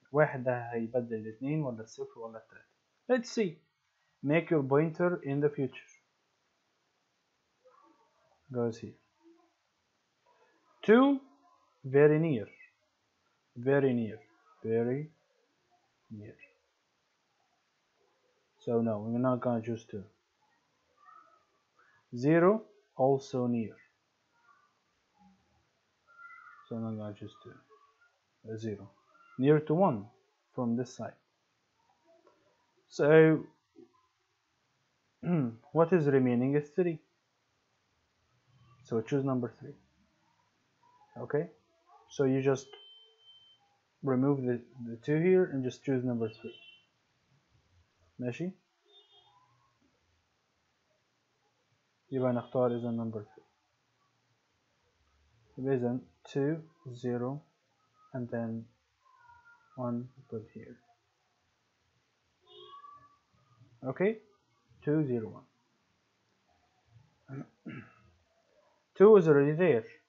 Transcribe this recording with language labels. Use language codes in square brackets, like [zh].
[ar] واحد هيبدل الاثنين ولا الصفر ولا الثلاثة. [en] Let's see. Make your pointer in the future. Goes here. 2, very near. Very near, very near. So no, we're not gonna choose two. Zero, also near. So I'm not gonna choose two. Zero, near to one from this side. So what is remaining is three. So choose number three. Okay, so you just Remove the 2 here and just choose number 3. [ar] ماشي؟ يبقى نختار إذا [en] number 3. إذا 2, 0, and then 1 put here. Okay? 2, 0, 1. 2 is already there.